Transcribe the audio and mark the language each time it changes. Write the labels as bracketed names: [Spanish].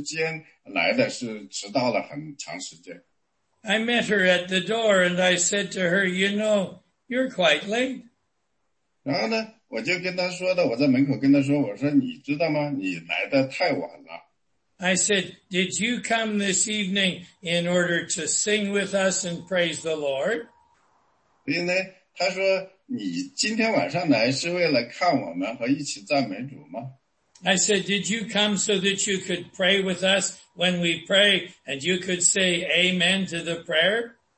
[Chinese] 所以有一次呢，星期天晚上的那个圣经学习里呢，她来了，来了是在7点20到25之间来的，是迟到了很长时间。 [English] I met her at the door and I said to her, you know, you're quite late. [Chinese] 然后呢，我就跟她说的，我在门口跟她说，我说你知道吗？你来的太晚了。 [English] I said, did you come this evening in order to sing with us and praise the Lord? [Chinese] 所以呢，她说，你今天晚上来是为了看我们和一起赞美主吗？ [English] I said, did you come so that you could pray with us when we pray and you could say amen to the prayer?